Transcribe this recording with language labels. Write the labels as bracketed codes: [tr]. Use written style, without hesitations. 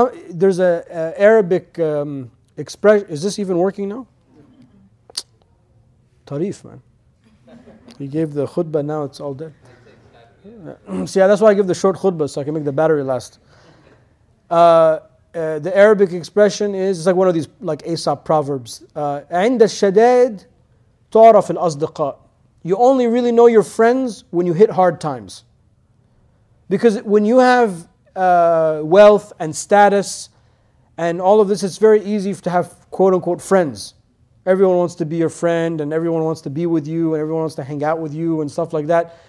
[en] There's an Arabic expression. Is this even working now? Tarif, man. He gave the khutbah, now it's all dead. See, that's why I give the short khutbah, so I can make the battery last. The Arabic expression is, it's like one of these like Aesop proverbs. [ar] عند الشداد تعرف الأصدقاء. [en] You only really know your friends when you hit hard times. Because when you have wealth and status and all of this, it's very easy to have quote-unquote friends. Everyone wants to be your friend, and everyone wants to be with you, and everyone wants to hang out with you and stuff like that.